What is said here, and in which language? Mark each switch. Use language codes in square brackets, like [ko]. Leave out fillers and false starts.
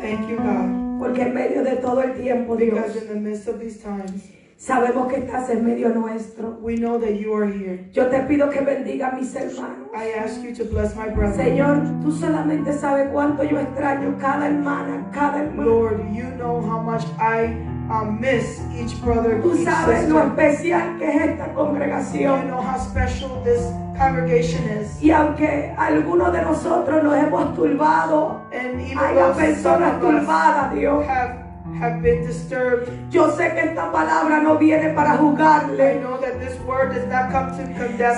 [en] Thank you, God. [es] Porque en medio de todo el tiempo, [en] because [es] Dios, [en] in the midst of these times, [es] sabemos que estás en medio nuestro. [en] We know that you are here. [es] Yo te pido que bendiga a mis hermanos. [en] I ask you to bless my brother. [es] Señor, tú solamente sabes cuánto yo extraño cada hermana, cada hermana. [en] Lord, you know how much I miss each brother, [es] tú [en] each [es] sabes [en] sister. [es] Lo especial que es esta congregación. [en] You know how special this congregation is. [es] Y aunque algunos de nosotros nos hemos turbado, hay personas turbadas, Dios, [en] have been disturbed. [es] Yo sé que esta palabra no viene para juzgarle, [en] I know that this word does not come to condemn,